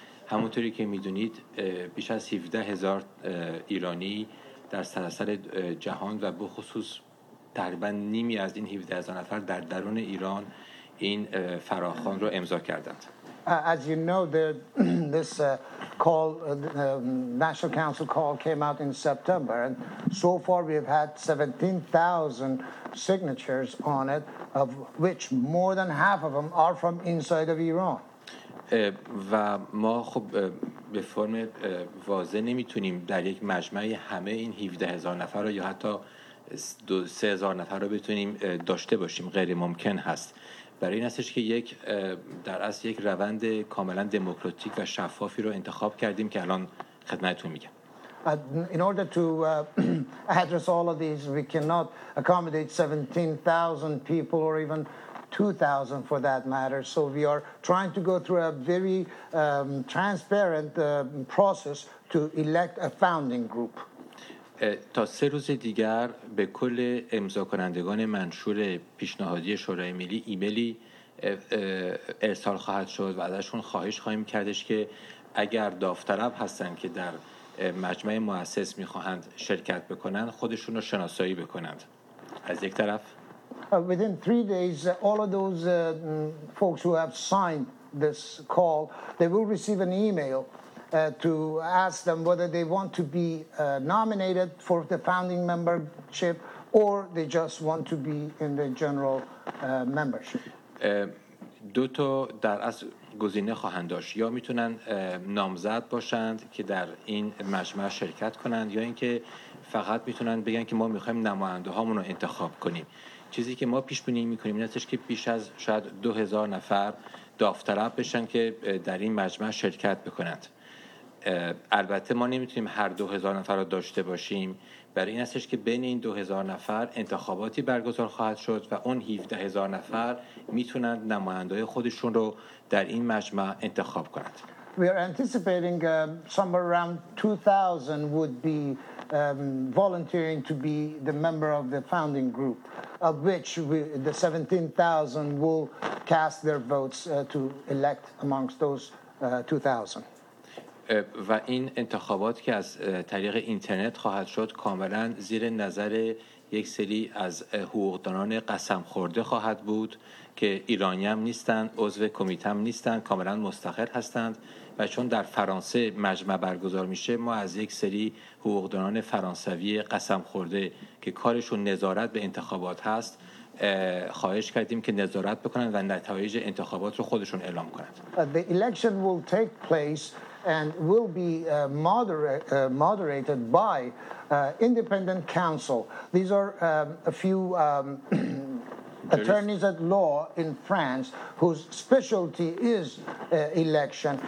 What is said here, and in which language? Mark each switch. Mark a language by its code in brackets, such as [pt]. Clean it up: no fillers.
[fa] Hamontori ke midunid, bish az 17,000 Irani در سراسر جهان و به خصوص تقریبا نیمی از این 17,000 نفر در درون ایران این فراخوان رو امضا کردند. [en] As you know, this call, National Council call came out in September, and so far we have had 17,000 signatures on it, of which more than half of them are from inside of Iran. [fa] و ما خب به فرم واضح نمیتونیم در یک مجمع همه این 17,000 نفر رو یا حتی 3,000 نفر رو بتونیم داشته باشیم، غیر ممکن هست. برای این هستش که یک در اصل یک روند کاملا دموکراتیک و شفافی رو انتخاب کردیم که الان خدمتتون میگم. [en] In order to address all of these, we cannot accommodate 17,000 people or even 2,000 for that matter. So we are trying to go through a very transparent process to elect a founding group. [fa] تا 3 روز دیگر به کل امضا کنندگان منشور پیشنهادی شورای ملی ایمیلی ارسال خواهد شد و ازشون خواهش خواهیم کردش که اگر داوطلب هستند که در مجمع مؤسس میخواهند شرکت بکنند، خودشون رو شناسایی بکنند. از یک طرف [en] Within 3 days, all of those folks who have signed this call, they will receive an email to ask them whether they want to be nominated for the founding membership or they just want to be in the general membership. [fa] دو تا در از گزینه خواهند داشت. یا میتونن نامزد باشند که در این مجمع شرکت کنند، یا اینکه فقط میتونن بگن که ما میخوایم نماینده هامون رو انتخاب کنیم. چیزی که ما پیش بینی میکنیم این هستش که بیش از شاید 2,000 نفر داوطلب بشن که در این مجمع شرکت بکنند. البته ما نمیتونیم هر 2,000 نفر را داشته باشیم، برای این هستش که بین این 2,000 نفر انتخاباتی برگزار خواهد شد و اون 17,000 نفر میتونند نماینده خودشون رو در این مجمع انتخاب کنند. [en] We are anticipating somewhere around 2,000 would be volunteering to be the member of the founding group, of which the 17,000 will cast their votes to elect amongst those 2,000. [fa] و این انتخابات که از طریق اینترنت خواهد شد کاملا زیر نظر یک سری از حقوقدانان قسم خورده خواهد بود که ایرانی هم نیستند، عضو کمیته هم نیستند، کاملا مستقل هستند و چون در فرانسه مجمع برگزار میشه ما از یک سری حقوقدانان فرانسوی قسم خورده که کارشون نظارت به انتخابات هست خواهش کردیم که نظارت بکنن و نتایج انتخابات رو خودشون اعلام کنند. [en] The election will take place and will be moderated by independent counsel. These are a few attorneys at law in France whose specialty is election.